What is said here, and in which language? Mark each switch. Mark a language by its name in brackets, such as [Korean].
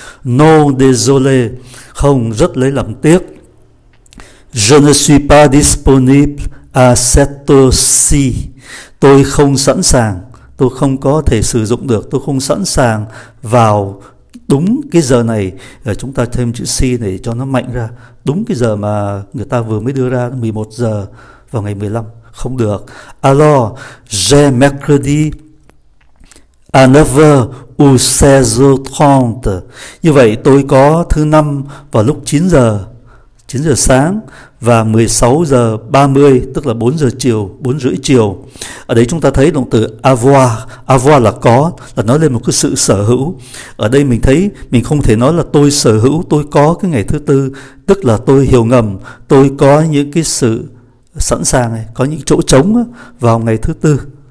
[French] No, désolé, [Vietnamese] không, rất lấy làm tiếc. [French] Je ne suis pas disponible à cette heure-ci, [Vietnamese] tôi không sẵn sàng, tôi không có thể sử dụng được, tôi không sẵn sàng vào đúng cái giờ này. Chúng ta thêm chữ si để cho nó mạnh ra, đúng cái giờ mà người ta vừa mới đưa ra 11 giờ vào ngày 15 không được. [French] Alors, j'ai mercredi à 9h ou 16h30. [Vietnamese] Như vậy tôi có thứ năm vào lúc 9 giờ sáng và 16 giờ 30, tức là 4 giờ chiều, 4 rưỡi chiều. Ở đấy chúng ta thấy động từ avoir, avoir là có, là nói lên một cái sự sở hữu. Ở đây mình thấy mình không thể nói là tôi sở hữu, tôi có cái ngày thứ tư, tức là tôi hiểu ngầm, tôi có những cái sự sẵn sàng này, có những chỗ trống vào ngày thứ tư.